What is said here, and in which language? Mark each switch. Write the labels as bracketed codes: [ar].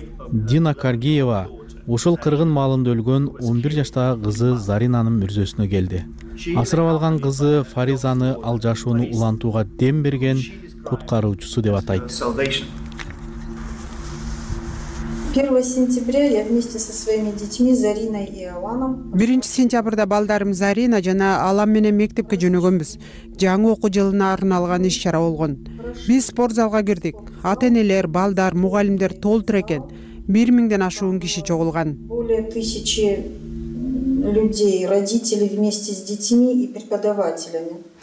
[ky] Дина Каргиева ушул кыргын маалында өлгөн 11 жаштагы кызы Заринанын мүрзөсүнө келди. Асырап алган кызы Фаризаны ал жашоону улантууга дем берген куткаруучусу деп атайт. [ru] 1 сентября я вместе со своими детьми Зариной и Аланом. [ky] 1 сентябрда балдарым Зарина жана Алан менен мектепке жөнөгөнбүз. Жаңы окуу жылына арналган иш-чара болгон. Биз спорт залга кирдик. Ата-энелер, балдар, мугалимдер толтур экен. 1000ден ашуун киши чогулган. [ru] Более 1000 людей, родители вместе с детьми и преподавателями.